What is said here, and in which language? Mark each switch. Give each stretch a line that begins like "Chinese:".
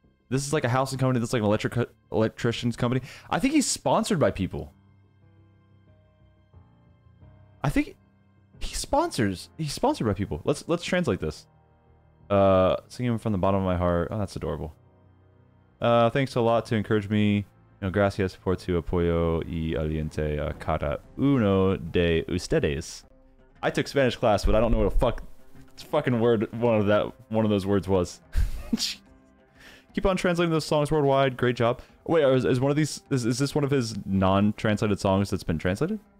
English: This is like a housing company. This is like an electrician's company. I think he's sponsored by people. I think he's sponsored by people. Let's translate this. Singing from the bottom of my heart. Oh, that's adorable. Thanks a lot to encourage me.
Spanish: No, gracias por tu apoyo y aliente a cada uno de ustedes.
English: I took Spanish class, but I don't know what a fucking word one of those words was. Keep on translating those songs worldwide. Great job. Wait, is this one of his non-translated songs that's been translated?